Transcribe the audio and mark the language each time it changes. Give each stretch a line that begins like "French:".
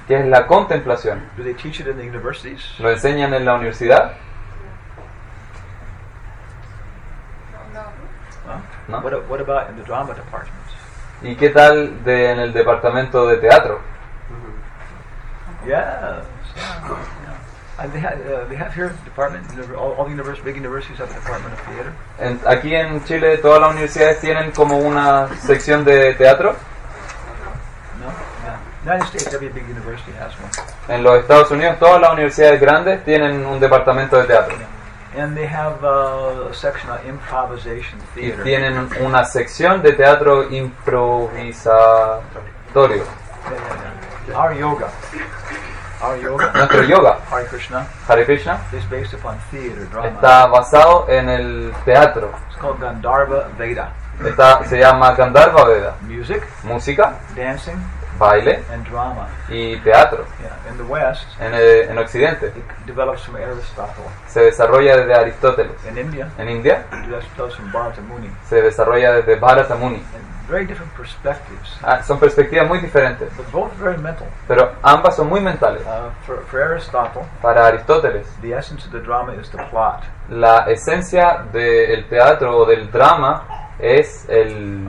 Spanish: ¿Qué es la contemplación?
English: Do they teach it in the universities?
Spanish: ¿Lo enseñan en la universidad? No. Huh? No.
English: What about in the drama departments?
Spanish: ¿Y qué tal en el departamento de teatro?
English: Mm-hmm. Yes. And they have here department, all the universities, big universities have a department of theater.
Spanish: And aquí en Chile todas las universidades tienen como una sección de teatro.
English: United States, every big university has one.
Spanish: En los Estados Unidos todas las universidades grandes tienen un departamento de teatro.
English: And they have a section of improvisation theater.
Spanish: Y tienen una sección de teatro improvisatorio.
English: Our yoga.
Spanish: Nuestro yoga.
English: Hare Krishna. Is based upon theater drama.
Spanish: Está basado en el teatro.
English: It's called Gandharva Veda.
Spanish: Se llama Gandharva Veda.
English: Music.
Spanish: Música.
English: Dancing.
Spanish: Baile.
English: And drama.
Spanish: Y teatro.
English: Yeah. In the West.
Spanish: En Occidente.
English: It develops from Aristotle.
Spanish: Se desarrolla desde Aristóteles.
English: In India.
Spanish: En India.
English: It develops from Bharata Muni.
Spanish: Se desarrolla desde Bharata Muni.
English: Very different perspectives.
Spanish: Son perspectivas muy diferentes.
English: But both very mental.
Spanish: Pero ambas son muy mentales.
English: For Aristotle,
Spanish: para Aristóteles,
English: the essence of the drama is the plot.
Spanish: La esencia del teatro o del drama es el